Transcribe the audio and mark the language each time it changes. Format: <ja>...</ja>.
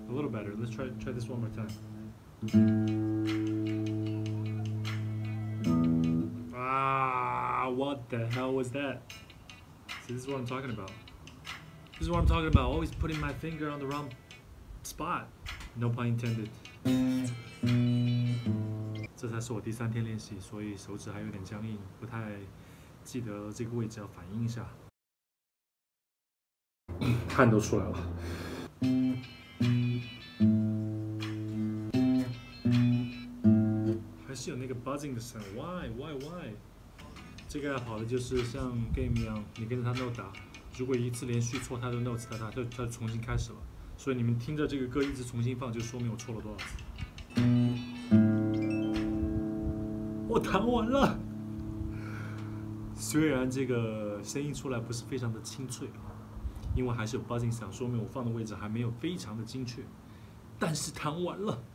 <en>Better. Let's try this one more time. What the hell was that? See, this is what I'm talking about. Always putting my finger on the wrong spot. No pun intended.</en> <zh>这才是我第三天练习，所以手指还有点僵硬，不太记得这个位置，要反应一下。汗都出来了。有那个 buzzing 的 sound， why？这个好的就是像 game 一样，你跟着他 note 打，如果一次连续错太多 notes， 他就重新开始了。所以你们听着这个歌一直重新放，就说明我错了多少次。我弹完了，虽然这个声音出来不是非常的清脆啊，因为还是有 buzzing sound， 说明我放的位置还没有非常的精确，但是弹完了。</zh>